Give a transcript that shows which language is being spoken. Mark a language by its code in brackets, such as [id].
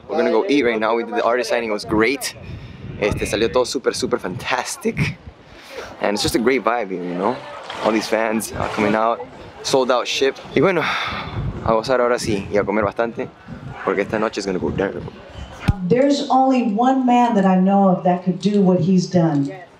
[en] We're gonna go eat right now. We did the artist signing, it was great. [es] Salió todo super, super [en] fantastic. And it's just a great vibe here, you know? All these fans coming out, sold out ship. [es] Y bueno, a gozar ahora sí y a comer bastante, porque esta noche [en] is gonna go down. There's only one man that I know of that could do what he's done.